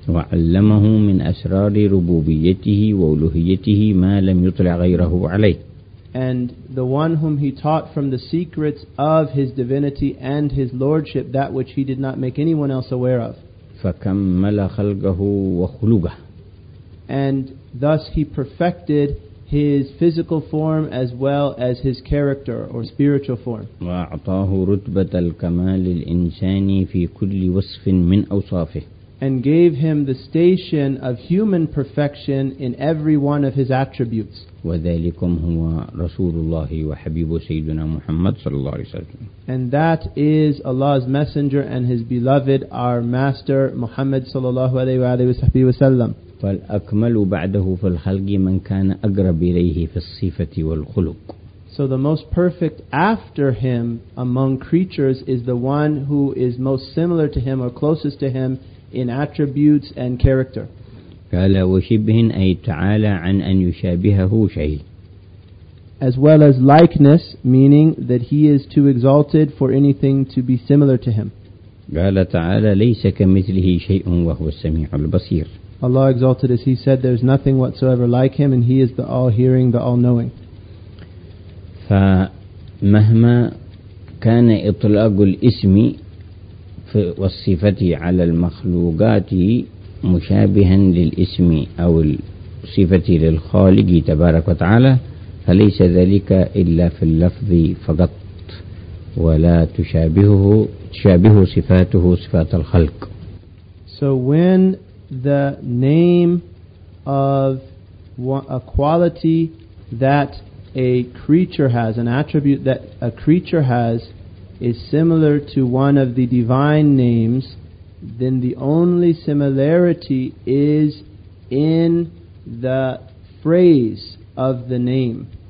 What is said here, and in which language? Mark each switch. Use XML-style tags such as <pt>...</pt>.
<ar>وعلمه من أسرار ربوبيته وألوهيته ما لم يطلع غيره عليه.</ar> <en>And the one whom he taught from the secrets of his divinity and his lordship, that which he did not make anyone else aware of.</en> <ar>فكمل خلقه وخلقه.</ar> <en>And thus he perfected his physical form as well as his character or spiritual form.</en> <ar>وأعطاه رتبة الكمال الإنساني في كل وصف من أوصافه.</ar> <en>and gave him the station of human perfection in every one of his attributes.</en> <ar>وَذَلِكُمْ هُوَ رَسُولُ اللَّهِ وَحَبِيبُ سَيِّدُنَا مُحَمَّدٍ صَلَّى اللَّهُ عَلَيْهِ وَسَلَّمَ.</ar> <en>And that is Allah's Messenger and His beloved, our Master Muhammad</en> <ar>صلى الله عليه وسلم. فَالْأَكْمَلُ بَعْدَهُ فِي الْخَلْقِ مَنْ كَانَ أَقْرَبَ إِلَيْهِ فِي الصِّفَةِ وَالْخُلُقِ.</ar> <en>So the most perfect after him among creatures is the one who is most similar to him or closest to him in attributes and character.</en> <ar>قال وشبه أي تعالى عن أن يشابهه شيء.</ar> <en>As well as likeness, meaning that he is too exalted for anything to be similar to him.</en> <ar>قال تعالى ليس كمثله شيء وهو السميع البصير.</ar> <en>Allah exalted as He said, there is nothing whatsoever like Him, and He is the all-hearing, the all-knowing.</en> <ar>فمهما كان إطلاق الاسم والصفة على المخلوقات مشابها للاسم أو الصفة للخالق تبارك وتعالى فليس ذلك إلا في اللفظ فقط ولا تشابه صفاته صفات الخلق.</ar> <en>So when the name of a quality that a creature has, an attribute that a creature has, is similar to one of the divine names, then the only similarity is in the phrase of the name.</en>